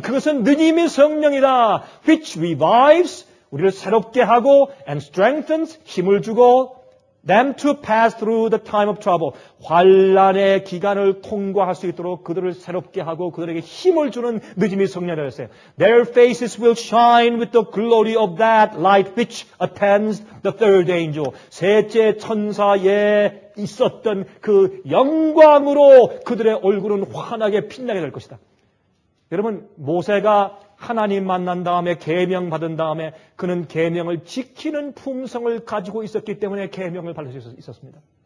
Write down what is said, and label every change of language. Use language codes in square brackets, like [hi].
[ko] 그것은 느님의 성령이다. [en] Which revives, [ko] 우리를 새롭게 하고 [en] and strengthens, [ko] 힘을 주고 [en] them to pass through the time of trouble. [ko] 환란의 기간을 통과할 수 있도록 그들을 새롭게 하고 그들에게 힘을 주는 느낌이 성령이라고 했어요. [en] Their faces will shine with the glory of that light which attends the third angel. [ko] 셋째 천사에 있었던 그 영광으로 그들의 얼굴은 환하게 빛나게 될 것이다. 여러분, 모세가 하나님 만난 다음에 계명 받은 다음에 그는 계명을 지키는 품성을 가지고 있었기 때문에 계명을 받을 수 있었습니다.